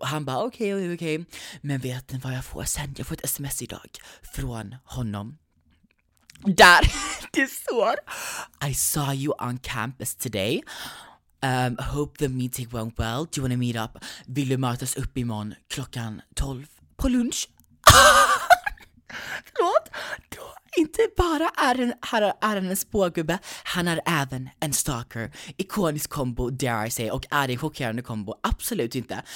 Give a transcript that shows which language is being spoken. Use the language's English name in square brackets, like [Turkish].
[Swedish] Och han bara okej. Men vet ni vad jag får sen? Jag får ett sms idag från honom. Där det står, [English] I saw you on campus today. Hope the meeting went well. Do you want to meet up? [Swedish] Vill du mötas upp imorgon klockan 12 på lunch? Förlåt. Inte bara är han en spågubbe, han är även en stalker. Ikonisk kombo, [English] dare I say. [Swedish] Och är det en chockerande kombo? Absolut inte.